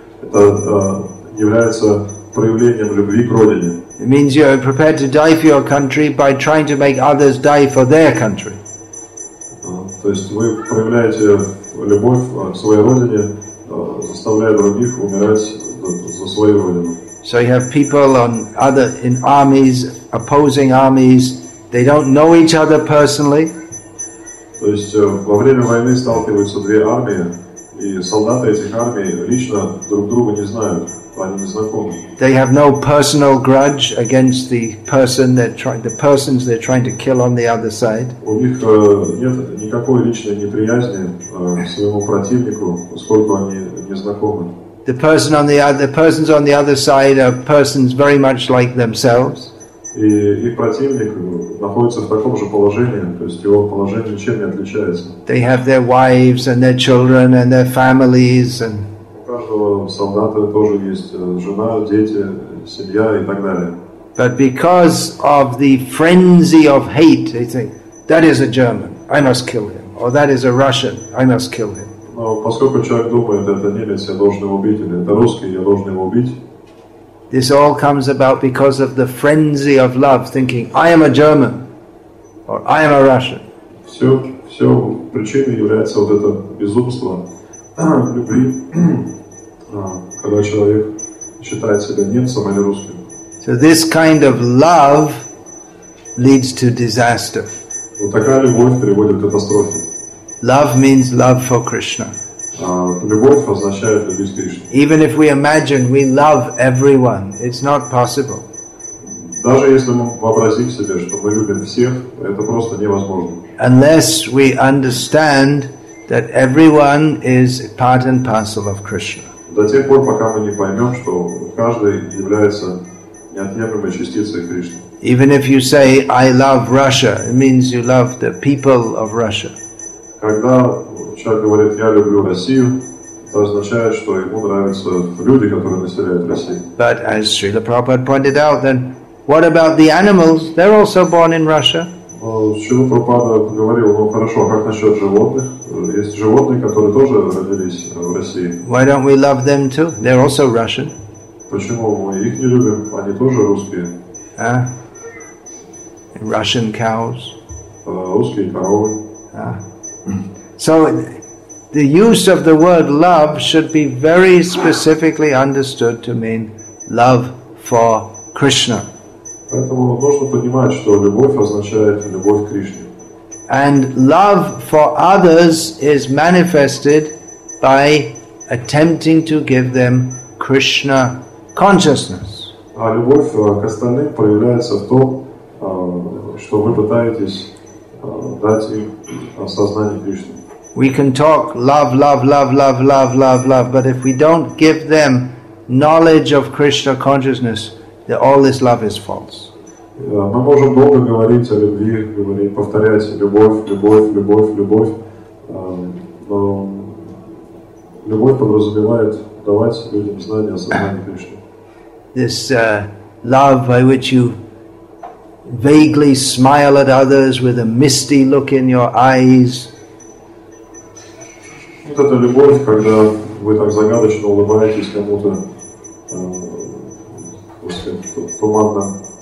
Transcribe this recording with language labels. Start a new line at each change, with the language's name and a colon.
Russian: Это является проявлением любви к родине.
English: It means you are prepared to die for your country by trying to make others die for their country.
Russian: То есть вы проявляете любовь к своей родине, заставляя других умирать за свою родину.
English: So you have people on other in armies, opposing armies. They don't know each other personally.
Russian: То есть во время войны сталкиваются две армии, и солдаты этих армий лично друг друга не знают.
English: They have no personal grudge against the person they're trying, the persons they're trying to kill on the other side.
Russian: У них нет никакой личной неприязни своему противнику, поскольку они не знакомы.
English: The person on the persons on the other side are persons very much like themselves.
Russian: И их противник находится в таком же положении, то есть его положение ничем не отличается.
English: They have their wives and their children and their families and.
Russian: Солдаты тоже есть жена, дети, семья и так далее.
English: But because of the frenzy of hate, they think that is a German, I must kill him, or that is a Russian, I must kill him.
Russian: Но поскольку человек думает, это немец, я должен его убить, или это русский, я должен его убить.
English: This all comes about because of the frenzy of love, thinking I am a German or I am a Russian.
Russian: Все причиной является вот это безумство любви. Когда человек считает себя немцем или русским.
English: So this kind of love leads to disaster.
Russian: Вот такая любовь приводит к катастрофе.
English: Love means love for Krishna.
Russian: Любовь означает любить Кришну.
English: Even if we imagine we love everyone, it's not possible.
Russian: Даже если мы вообразим себе, что мы любим всех, это просто невозможно.
English: Unless we understand that everyone is part and parcel of Krishna.
Russian: До тех пор, пока мы не поймем, что каждый является неотъемлемой частицей Кришны.
English: Even if you say I love Russia, it means you love the people of Russia.
Russian: Когда человек говорит я люблю Россию, это означает, что ему нравятся люди, которые населяют Россию.
English: But as Srila Prabhupada pointed out, then what about the animals? They're also born in Russia.
Russian: Srila Prabhupada говорил, ну хорошо, как насчет животных? Есть животные, которые тоже родились в России.
English: Why don't we love them too? They're also Russian.
Russian: Почему мы их не любим? Они тоже русские.
English: Russian cows.
Russian: Русские коровы.
English: So the use of the word love should be very specifically understood to mean love for Krishna.
Russian: Поэтому нужно понимать, что любовь означает любовь к Кришне.
English: And love for others is manifested by attempting to give them Krishna consciousness.
Russian: А любовь к остальным проявляется в том, что вы пытаетесь дать им осознание Кришны.
English: We can talk love, love, love, love, love, love, love, but if we don't give them knowledge of Krishna consciousness, then all this love is false.
Russian: Мы можем долго говорить о любви, говорить, повторять любовь, любовь, любовь, любовь, но любовь подразумевает давать людям знание о сознании Кришны.
English: This love by which you vaguely smile at others with a misty look in your eyes.
Russian: Вот эта любовь, когда вы так загадочно улыбаетесь кому-то, туманно.